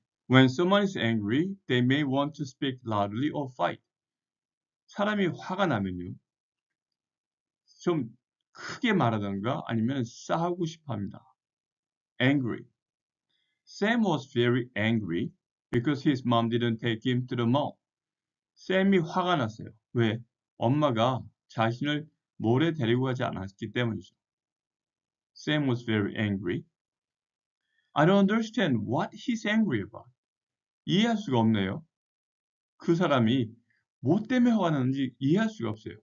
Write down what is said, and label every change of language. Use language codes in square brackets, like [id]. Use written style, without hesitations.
[en] When someone is angry, they may want to speak loudly or fight. [ko] 사람이 화가 나면요, 좀 크게 말하던가 아니면 싸우고 싶어 합니다. [en] Angry. Sam was very angry because his mom didn't take him to the mall. [ko] Sam이 화가 났어요. 왜? 엄마가 자신을 몰에 데리고 가지 않았기 때문이죠. [en] Sam was very angry. I don't understand what he's angry about. [ko] 이해할 수가 없네요. 그 사람이 뭐 때문에 화가 났는지 이해할 수가 없어요.